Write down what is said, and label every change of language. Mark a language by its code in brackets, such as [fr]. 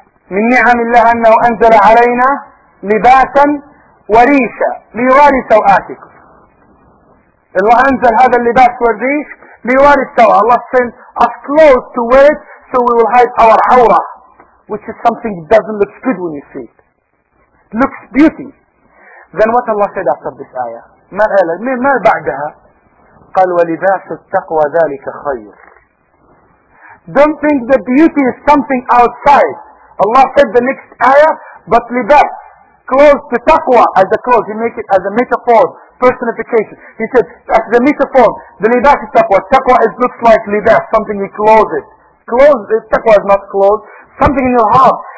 [ar] من نعم الله أنه أنزل علينا لباسا وريشا ليواري سوآتكم. Allah أنزل هذا اللباس والريش ليواري السوء. [en] Allah sent us clothes to wear it so we will hide our awra, which is something that doesn't look good when you see it. It looks beauty. Then what Allah said after this ayah? [ar] ما قال ما بعدها؟ قال ولباس التقوى ذلك خير. [en] Don't think that beauty is something outside. Allah said the next ayah, but لباس clothes to taqwa as the clothes. He make it as a metaphor. Personification. He said, as the metaphor, the libas is taqwa. Taqwa is looks like libas, something you close it. Close it, taqwa is not closed. Something in your heart.